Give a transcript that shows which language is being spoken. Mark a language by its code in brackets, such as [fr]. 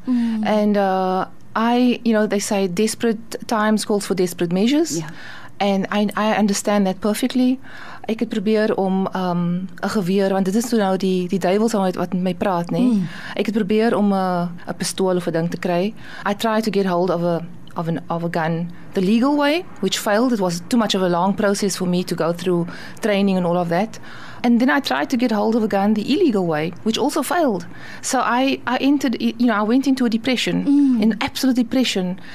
[en] And I, you know, they say desperate times calls for desperate measures. Yeah. And I understand that perfectly. [af] Ek het probeer om 'n geweer, want dit is toe nou die duivels wat met my praat, nee. Ek het probeer om 'n pistool of 'n ding te kry. [en] I tried to get hold of a gun the legal way, which failed. It was too much of a long process for me to go through training and all of that. And then I tried to get hold of a gun the illegal way, which also failed. So I went into a depression, an absolute depression.